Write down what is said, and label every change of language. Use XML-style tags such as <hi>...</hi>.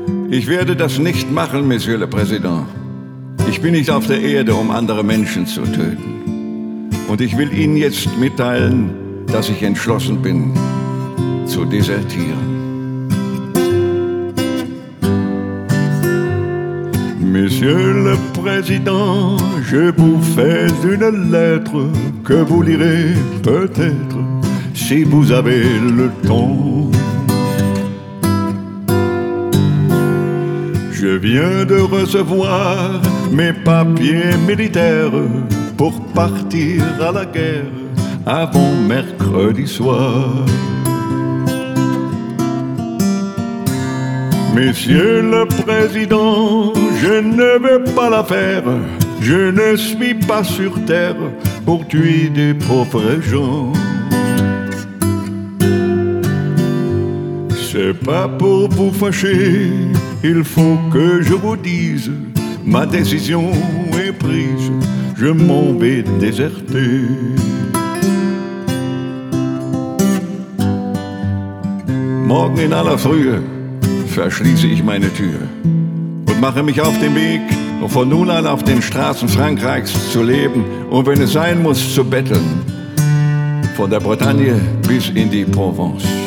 <de>Ich werde das nicht machen, Monsieur le Président. Ich bin nicht auf der Erde, um andere Menschen zu töten. Und ich will Ihnen jetzt mitteilen, dass ich entschlossen bin, zu desertieren.</de> <fr>Monsieur le Président, je vous fais une lettre que vous lirez peut-être si vous avez le temps. Je viens de recevoir mes papiers militaires pour partir à la guerre avant mercredi soir. Monsieur le Président, je ne veux pas la faire, je ne suis pas sur terre pour tuer des pauvres gens. C'est pas pour vous fâcher, il faut que je vous dise, ma décision est prise, je m'en vais déserter.</fr> <de>Morgen in aller Frühe verschließe ich meine Tür und mache mich auf den Weg, um von nun an auf den Straßen Frankreichs zu leben und wenn es sein muss, zu betteln, von der Bretagne bis in die Provence.</de>